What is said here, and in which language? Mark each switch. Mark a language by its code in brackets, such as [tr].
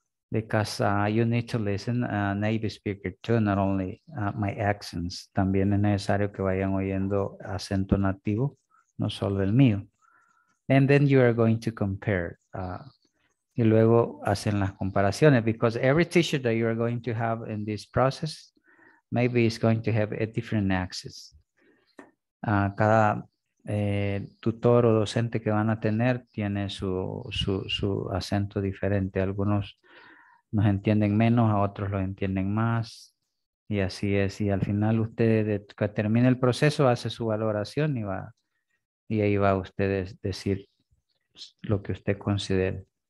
[en] Because you need to listen a native speaker too, not only my accents. [es] También es necesario que vayan oyendo acento nativo, no solo el mío. [en] And then you are going to compare. [es] Y luego hacen las comparaciones, [en] because every teacher that you are going to have in this process, maybe is going to have a different access. [es] Cada tutor o docente que van a tener tiene su acento diferente. Algunos nos entienden menos, a otros los entienden más. Y así es. Y al final usted que termine el proceso hace su valoración y va, y ahí va usted a decir lo que usted considere.